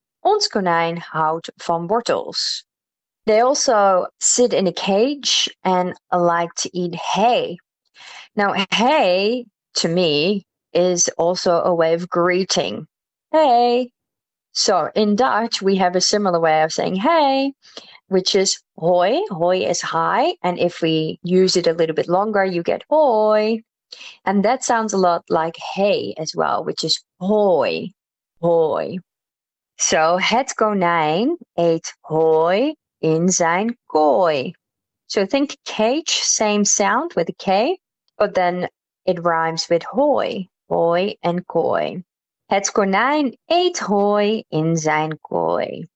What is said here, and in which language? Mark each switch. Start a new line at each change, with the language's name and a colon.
Dutch: Ons konijn houdt van wortels.
English: They also sit in a cage and like to eat hay. Now, hey, to me, is also a way of greeting. Hey. So in Dutch, we have a similar way of saying hey, which is hoi. Hoi is hi. And if we use it a little bit longer, you get hoi. And that sounds a lot like hey as well, which is hoi, hoi.
Dutch: So het konijn eet hoi in zijn kooi.
English: So think cage, same sound with a K. But then it rhymes with hoi, hoi and kooi.
Dutch: Het konijn eet hoi in zijn kooi.